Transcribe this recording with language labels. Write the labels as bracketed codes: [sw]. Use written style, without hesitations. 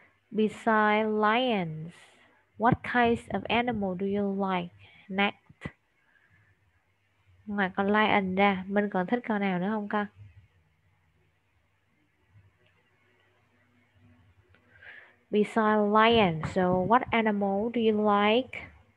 [en] Besides lions, what kinds of animal do you like next? [vi] Ngoài con lion ra, mình còn thích con nào nữa không con? [en] Besides lions, so what animal do you like?